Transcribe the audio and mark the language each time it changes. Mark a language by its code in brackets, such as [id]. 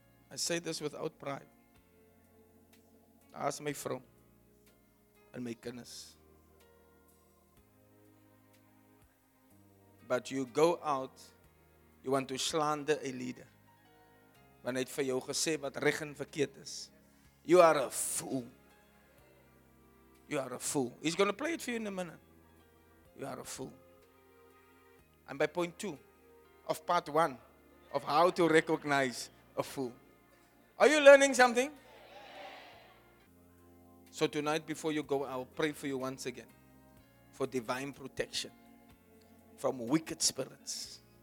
[en] I say this without pride. Ask my [af] vrou [en] and my [af] kinders. [en] But you go out, you want to slander a leader. [af] Want hy het vir jou gesê wat reg en verkeerd is. [en] You are a fool. You are a fool. He's going to play it for you in a minute. You are a fool. And by point two of part one of how to recognize a fool. Are you learning something? So tonight before you go, I will pray for you once again for divine protection from wicked spirits.